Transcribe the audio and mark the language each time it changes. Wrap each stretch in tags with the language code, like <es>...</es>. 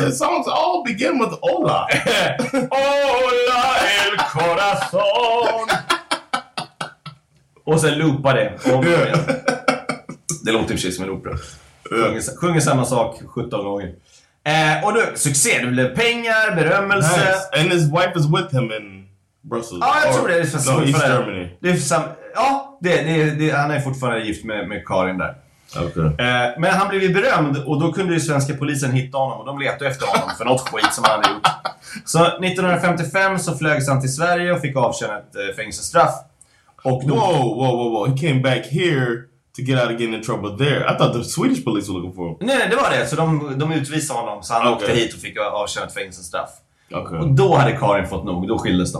<en>The songs all begin with hola.</en> <es>Hola el corazón.</es> <sv>Och sen loopade det. Det låter ju precis som en opera. Sjunger samma sak 17 gånger. Och du, succé, du blev pengar, berömmelse. Nice.</sv> <en>And his wife is with him in Brussels.</en> <sv>Ja, jag tror det. Det är</sv> <en>no, East</en> <sv>det.</sv> <en>Germany.</en> <sv>Det är sam- ja, det, han är fortfarande gift med Karin där.</sv> <en>Okay.</en> <sv>Men han blev ju berömd och då kunde ju svenska polisen hitta honom och de letade efter honom för något skit som han hade gjort. Så 1955 så flögs han till Sverige och fick avtjäna ett fängelsestraff. Och då,</sv> <en>whoa, he came back here to get out of getting in trouble there. I thought the Swedish police were looking for him.</en> <sv>Nej, det var det. Så de utvisade honom så han åkte hit och fick avtjäna ett fängelsestraff.</sv> <en>Okay.</en> <sv>Och då hade Karin fått nog, då skildes de.</sv>